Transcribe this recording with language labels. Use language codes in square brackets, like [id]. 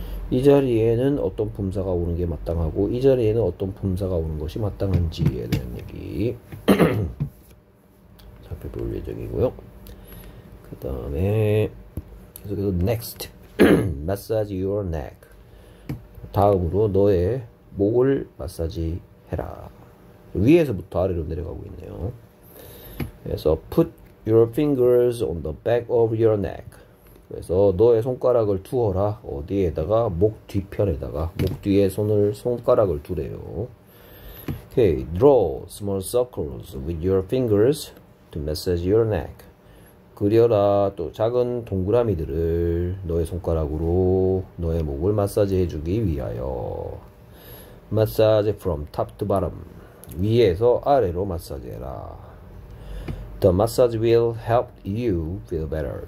[ko] 이 자리에는 어떤 품사가 오는 게 마땅하고 이 자리에는 어떤 품사가 오는 것이 마땅한지에 대한 얘기 살펴볼 예정이고요. 그 다음에 그래서 [en] next, massage your neck. [ko] 다음으로 너의 목을 마사지 해라. 위에서부터 아래로 내려가고 있네요. 그래서 [en] put your fingers on the back of your neck. [ko] 그래서 너의 손가락을 두어라. 어디에다가? 목 뒤편에다가. 목 뒤에 손가락을 두래요. [en] Okay, draw small circles with your fingers to massage your neck. [ko] 그려라. 또 작은 동그라미들을 너의 손가락으로 너의 목을 마사지 해주기 위하여. [en] 마사지 from top to bottom. [ko] 위에서 아래로 마사지해라. [en] The massage will help you feel better.